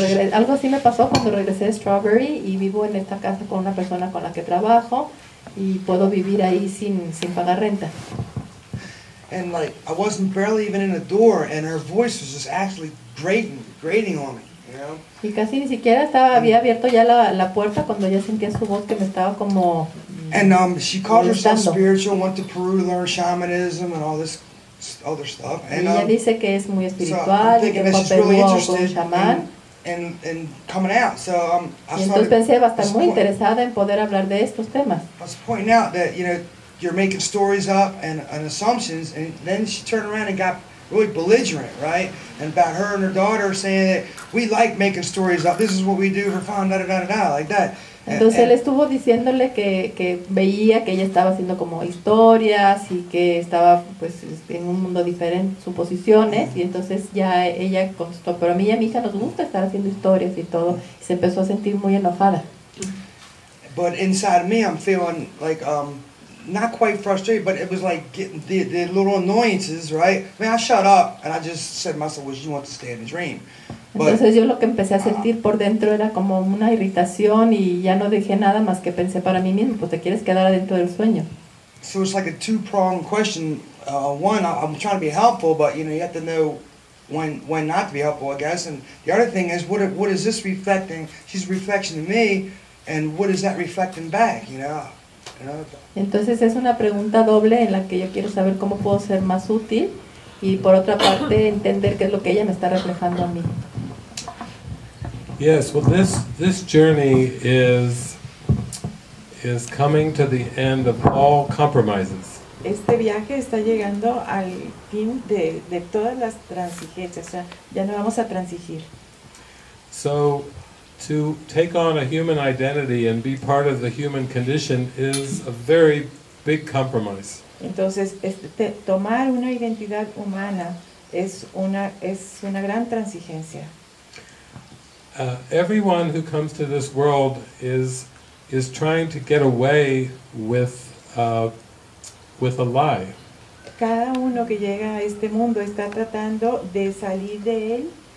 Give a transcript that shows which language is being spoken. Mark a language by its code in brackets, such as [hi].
[es] Algo así me pasó cuando regresé de Strawberry y vivo en esta casa con una persona con la que trabajo y puedo vivir ahí sin pagar renta. [en] And like, I wasn't barely even in the door and her voice was just actually grating on me, you know? [es] Y casi ni siquiera estaba, había abierto ya la puerta cuando ya sentía su voz que me estaba como... [en] And she called herself spiritual, went to Peru to learn shamanism and all this other stuff. And [es] ella dice que es muy espiritual, [en] so I'm thinking that she's really interested in coming out. So I started, [es] entonces pensé, va a estar muy interesada en poder hablar de estos temas. [en] I was pointing out that, you know, you're making stories up and assumptions, and then she turned around and got really belligerent, right? And about her and her daughter saying that we like making stories up, this is what we do for fun, da da da da da, like that. [es] Entonces él estuvo diciéndole que veía que ella estaba haciendo como historias y que estaba pues en un mundo diferente, suposiciones, y entonces ya ella contestó, pero a mí y a mi hija nos gusta estar haciendo historias y todo, y se empezó a sentir muy enojada. [en] But inside me I'm feeling like not quite frustrated, but it was like getting the little annoyances, right? I mean, I shut up and I just said to myself, well, you want to stay in the dream. [es] Entonces yo lo que empecé a sentir por dentro era como una irritación y ya no dejé nada más que pensé para mí mismo, pues te quieres quedar adentro del sueño. [en] So it's like a two-pronged question. One, I'm trying to be helpful, but you know, you have to know when not to be helpful, I guess. And the other thing is, what is this reflecting? She's a reflection of me, and what is that reflecting back, you know? [es] Entonces es una pregunta doble en la que yo quiero saber cómo puedo ser más útil y por otra parte entender qué es lo que ella me está reflejando a mí. [en] Yes, well, this journey is coming to the end of all compromises. [es] Este viaje está llegando al fin de todas las transigencias, o sea, ya no vamos a transigir. [en] So to take on a human identity and be part of the human condition is a very big compromise. [es] Entonces, tomar una identidad humana es una gran transigencia. [en] Everyone who comes to this world is trying to get away with a lie. [es] Cada uno que llega a este mundo está tratando de salir de él.